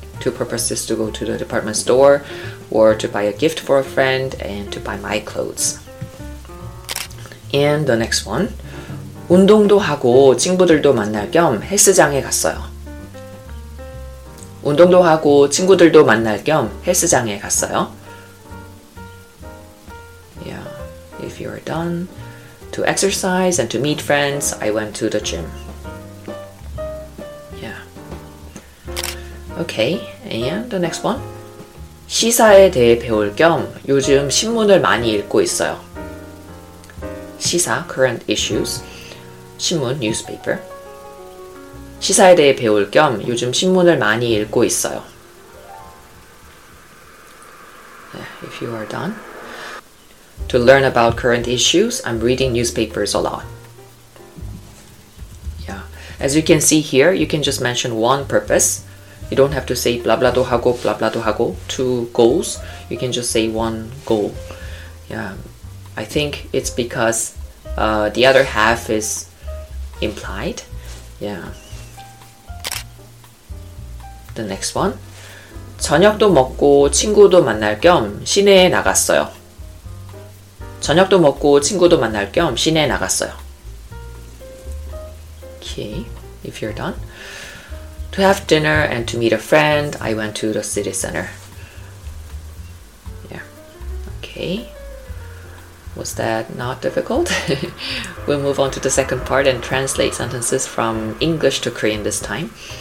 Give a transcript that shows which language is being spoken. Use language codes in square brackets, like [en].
[en] Two purposes: to go to the department store or to buy a gift for a friend and to buy my clothes. And the next one, [ko] 운동도 하고 친구들도 만날 겸 헬스장에 갔어요. 운동도 하고 친구들도 만날 겸 헬스장에 갔어요. [en] Yeah, if you are done to exercise and to meet friends, I went to the gym. Yeah. Okay, and the next one. [ko] 시사에 대해 배울 겸 요즘 신문을 많이 읽고 있어요. [en] 시사, current issues. 신문, newspaper. [ko] 시사에 대해 배울 겸 요즘 신문을 많이 읽고 있어요. [en] If you are done. To learn about current issues, I'm reading newspapers a lot. Yeah. As you can see here, you can just mention one purpose. You don't have to say blah blah do hago, two goals. You can just say one goal. Yeah. I think it's because the other half is implied. Yeah. The next one. [ko] 저녁도 먹고 친구도 만날 겸 시내에 나갔어요. 저녁도 먹고 친구도 만날 겸 시내에 나갔어요. [en] Okay, if you're done. To have dinner and to meet a friend, I went to the city center. Yeah. Okay. Was that not difficult? We'll move on to the second part and translate sentences from English to Korean this time.